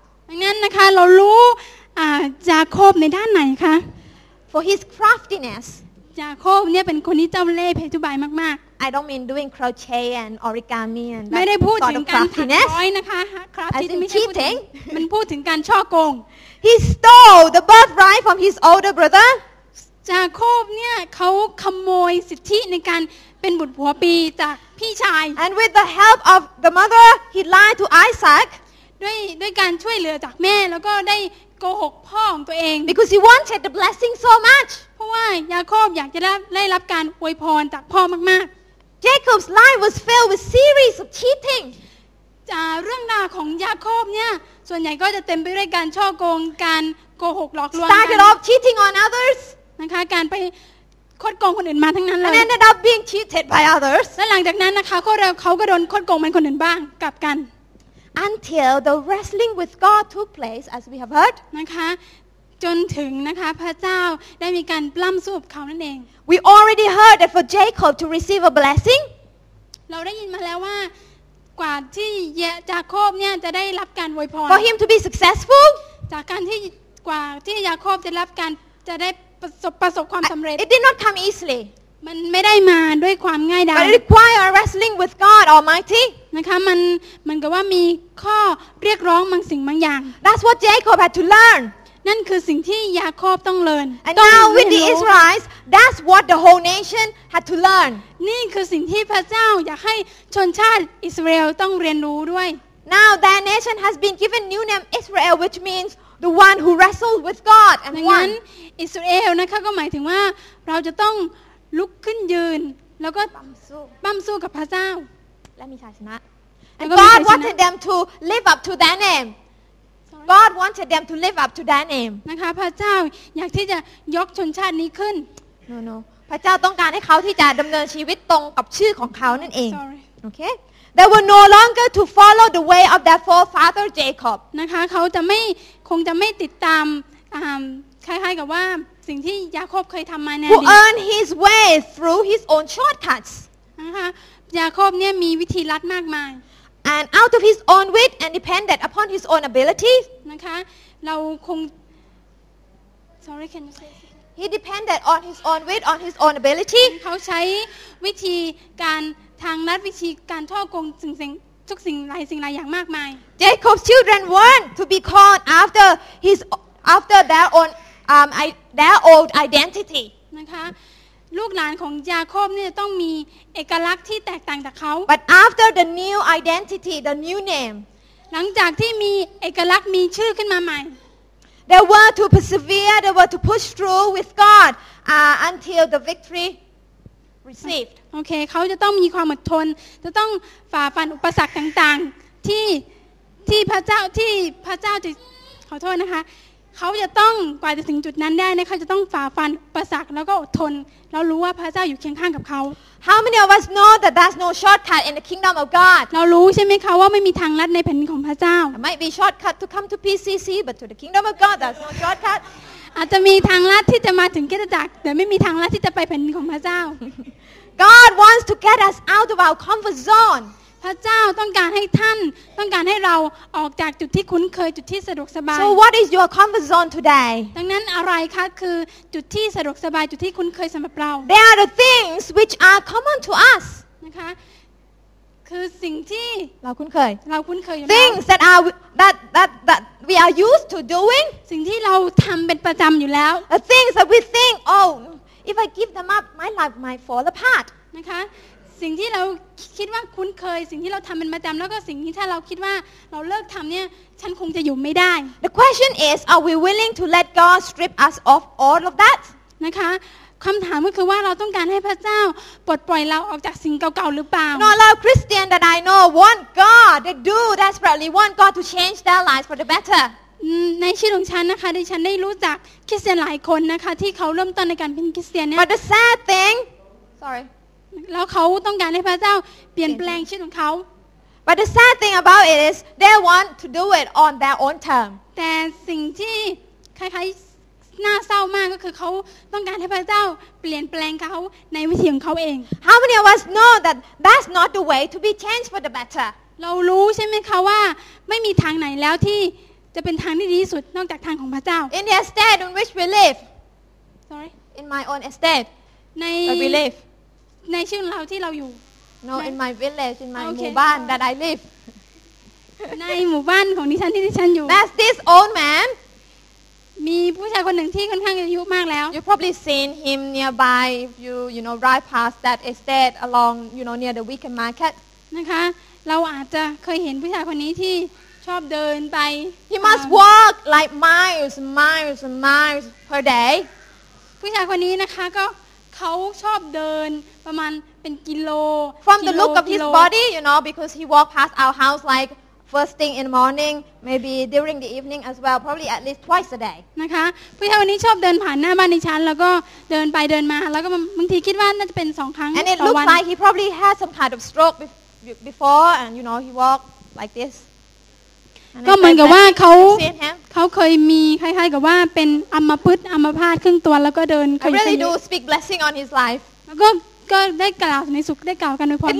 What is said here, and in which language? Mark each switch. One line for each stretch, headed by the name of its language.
Thai: ดังนั้นนะคะเรารู้จาโคบในด้านไหนคะ
English: For his craftiness
Thai: จาโคบเนี่ยเป็นคนที่เจ้าเล่ห์เพชุบายมากๆ
English: I don't mean doing crochet and origami and that sort of craftiness. I didn't mean cheating.
Thai: มันพูดถึงการช่อโกง
English: He stole the birthright from his older brother.
Thai: จาโคบเนี่ยเขาขโมยสิทธิในการเป็นบุตรผัวปีจากพี่ชาย
English: And with the help of the mother, he lied to Isaac.
Thai: ด้วยการช่วยเหลือจากแม่แล้วก็ได้โกหกพ่อของตัวเอง
English: because he wanted the blessing so much
Thai: เพราะว่ายาโคบอยากจะได้รับการอวยพรจากพ่อมาก
English: ๆ Jacob's life was filled with series of cheating
Thai: เรื่องราวของยาโคบเนี่ยส่วนใหญ่ก็จะเต็มไปด้วยการช่อโกงการโกหกหลอกลวง
English: started off cheating on others
Thai: นะคะการไปคดโกงคนอื่นมาทั้งนั้นเลย
English: and ended up being cheated by others
Thai: และหลังจากนั้นนะคะเขาก็โดนคดโกงมันคนอื่นบ้างกลับกัน
English: Until the wrestling with God took place, as we have heard,
Thai: นะคะ จนถึงนะคะ พระเจ้าได้มีการปล้ำสู้กับเขานั่นเอง
English: We already heard that for Jacob to receive a blessing,
Thai: เราได้ยินมาแล้วว่ากว่าที่จาโคบเนี่ยจะได้รับการอวยพร
English: For him to be successful,
Thai: จากการที่กว่าที่ยาโคบจะรับการจะได้ประสบความสำเร็จ
English: It did not come easily.
Thai: มันไม่ได้มาด้วยความง่ายดาย
English: But it requires wrestling with God Almighty
Thai: นะคะมันก็ว่ามีข้อเรียกร้องบางสิ่งบางอย่าง
English: That's what Jacob had to learn
Thai: นั่นคือสิ่งที่ยาโคบต้องเรียน
English: And now with the Israelites that's what the whole nation had to learn
Thai: นี่คือสิ่งที่พระเจ้าอยากให้ชนชาติอิสราเอลต้องเรียนรู้ด้วย
English: Now their nation has been given new name Israel which means the one who wrestled with God and won
Thai: อิสราเอลนะคะก็หมายถึงว่าเราจะต้องลุกขึ้นยืนแล้วก็ ปั้มสู้กับพระเจ้า และมีชัยชนะ
English: And God wanted them to live up to their name God wanted them to live up to their name
Thai: นะคะพระเจ้าอยากที่จะยกชนชาตินี้ขึ้น No พระเจ้าต้องการให้เขาที่จะดำเนินชีวิตตรงกับชื่อของเขานั่นเอง
English: Sorry Okay They were no longer to follow the way of their forefather Jacob
Thai: นะคะเขาจะไม่คงจะไม่ติดตามคล้ายๆกับว่าสิ่งที่ยาโคบเคยทำมาในอดีต
English: Who earned his way through his own shortcuts
Thai: นะคะยาโคบเนี่ยมีวิธีลัดมากมาย
English: And out of his own wit and depended upon his own abilities
Thai: นะคะเราคง
English: Sorry can you say He depended on his own wit, on his own ability.
Thai: เขาใช้วิธีการทางลัดวิธีการท่อกงสิ่งทุกสิ่งหลายสิ่งหลายอย่างมากมาย
English: Jacob's children want to be called after his after their own their old identity.
Thai: นะคะลูกหลานของยาโคบเนี่ยต้องมีเอกลักษณ์ที่แตกต่างจากเขา
English: But after the new identity, the new name.
Thai: หลังจากที่มีเอกลักษณ์มีชื่อขึ้นมาใหม่
English: They were to persevere, they were to push through with God until the victory received.
Thai: โอเคเขาจะต้องมีความอดทนจะต้องฝ่าฟันอุปสรรคต่างๆที่พระเจ้าจะขอโทษนะคะเขาจะต้องกว่าจะถึงจุดนั้นได้เนี่ยเขาจะต้องฝ่าฟันอุปสรรคแล้วก็อดทนแล้วรู้ว่าพระเจ้าอยู่เคียงข้างกับเขา
English: How many of us know that there's no shortcut in the kingdom of God
Thai: เรารู้ใช่ไหมคะว่าไม่มีทางลัดในแผ่นดินของพระเจ้า
English: There might be shortcut to come to PCC but to the kingdom of God there's no shortcut
Thai: อาจจะมีทางลัดที่จะมาถึงคริสตจักรแต่ไม่มีทางลัดที่จะไปแผ่นดินของพระเจ้า
English: God wants to get us out of our comfort zone
Thai: พระเจ้าต้องการให้ท่านต้องการให้เราออกจากจุดที่คุ้นเคยจุดที่สะดวกสบาย
English: So what is your comfort zone today
Thai: ดังนั้นอะไรคะคือจุดที่สะดวกสบายจุดที่คุ้นเคยสำหรับเรา
English: There are the things which are common to us
Thai: นะคะคือสิ่งที่เราคุ้นเคย เราคุ้นเคยอยู่
English: Things that are that we are used to doing
Thai: สิ่งที่เราทำเป็นประจำอยู่แล้ว
English: The things that we think oh if I give them up my life might fall apart
Thai: นะคะสิ่งที่เราคิดว่าคุ้นเคยสิ่งที่เราทำเป็นประจำแล้วก็สิ่งที่ถ้าเราคิดว่าเราเลิกทำเนี่ยฉันคงจะอยู่ไม่ได้
English: The question is are we willing to let God strip us of all of that
Thai: นะคะคำถามก็คือว่าเราต้องการให้พระเจ้าปลดปล่อยเราออกจากสิ่งเก่าๆหรือเปล่า
English: No, a lot of Christians that I know want God they do desperately want God to change their lives for the better
Thai: ในชีวิตของฉันนะคะดิฉันได้รู้จักคริสเตียนหลายคนนะคะที่เขาเริ่มต้นในการเป็นคริสเตียนเนี่ย
English: But the sad thing sorry
Thai: แล้วเขาต้องการให้พระเจ้าเปลี่ยนแปลงชีวิตของเขา
English: But the sad thing about it is they want to do it on their own term
Thai: แต่สิ่งที่คล้ายๆน่าเศร้ามากก็คือเขาต้องการให้พระเจ้าเปลี่ยนแปลงเขาในวิถีของเขาเอง
English: How many of us know that that's not the way to be changed for the better
Thai: เรารู้ใช่ไหมคะว่าไม่มีทางไหนแล้วที่จะเป็นทางที่ดีที่สุดนอกจากทางของพระเจ้า
English: In the estate in which we live Sorry in my own estate
Thai: ใน
English: we live
Thai: ในชื่อเราที่เราอยู่
English: No in my village in my หมู่บ้าน that I live
Thai: ในหมู่บ้านของดิฉันที่ดิฉันอยู่
English: That's this old man
Thai: มีผู้ชายคนหนึ่งที่ค่อนข้างอายุมากแล้ว
English: You probably seen him nearby if you know drive past that estate along you know near the weekend market
Thai: นะคะเราอาจจะเคยเห็นผู้ชายคนนี้ที่ชอบเดินไป
English: He must walk like miles and miles and miles per day
Thai: ผู้ชายคนนี้นะคะก็เขาชอบเดินประมาณเป็นกิโล
English: From the look of his body you know because he walk past our house like first thing in the morning maybe during the evening as well probably at least twice a day
Thai: นะคะผู้ชายคนนี้ชอบเดินผ่านหน้าบ้านดิฉันแล้วก็เดินไปเดินมาแล้วก็บางทีคิดว่าน่าจะเป็น2ครั้งต่อวัน
English: And it looks like he probably had some kind of stroke before and you know he walk like this
Thai: ก็เหมือนกับว่าเขาเคยมีคล้ายๆกับว่าเป็นอัมพฤกษ์อัมพาตครึ่งตัวแล้วก็เดินเคย
English: เป็น Really do speak blessing on his life
Thai: ก็ได้กล่าวในสุขได้กล่าวกันไปพร้อมแล้ว